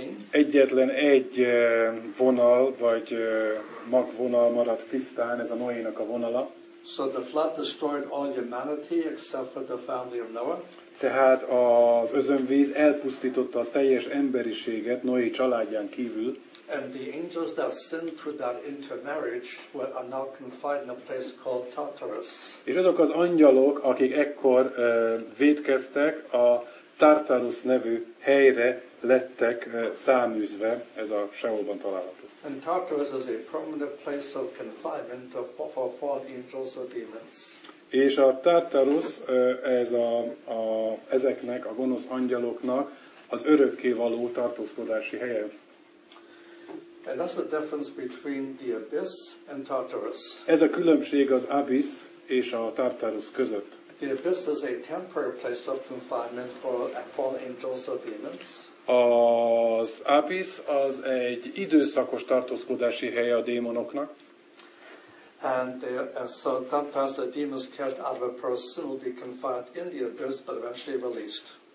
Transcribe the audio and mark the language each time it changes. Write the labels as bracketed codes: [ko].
[hu] Egyetlen egy vonal, vagy magvonal maradt tisztán, ez a Noé-nak a vonala. [en] So the flood destroyed all humanity except for the family of Noah. [hu] Tehát az özönvíz elpusztította a teljes emberiséget Noé családján kívül. [en] And the angels that sinned through that intermarriage were are now confined in a place called Tartarus. [hu] És azok az angyalok, akik ekkor vétkeztek, a Tartarus nevű helyre lettek száműzve, ez a Seholban található. [en] And Tartarus is a permanent place of confinement for fallen angels or demons. [hu] És a Tartarus ez a ezeknek a gonosz angyaloknak az örökké való tartózkodási helye. [en] And that's the difference between the abyss and Tartarus. [hu] Ez a különbség az abyss és a Tartarus között. [en] The abyss is a temporary place of confinement for fallen angels or demons. [hu] Az abyss az egy időszakos tartózkodási hely a démonoknak. [en] And so sometimes the demons kept out of a person will be confined in the abyss but eventually released.